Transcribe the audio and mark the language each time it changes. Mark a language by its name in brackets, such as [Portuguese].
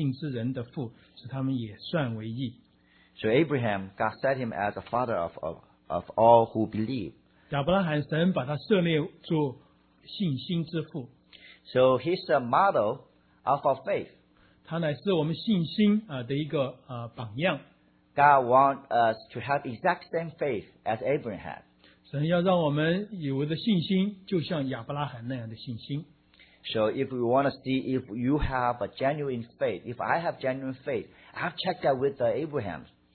[Chinese] 并且他受了割礼的记号，做他未受割礼的时候因信称义的印证，叫他做一切未受割礼而信之人的父，使他们也算为义。 [English] So Abraham, God set him as the father of all who believe. [Chinese] 亚伯拉罕神把他设立做信心之父。 [English] So he's a model of our faith. [Chinese] 他乃是我们信心的一个榜样。 [English] God wants us to have exact same faith as Abraham. [Chinese] 神要让我们有的信心就像亚伯拉罕那样的信心。 [English] So if we want to see if you have a genuine faith, if I have genuine faith, I've checked that with Abraham.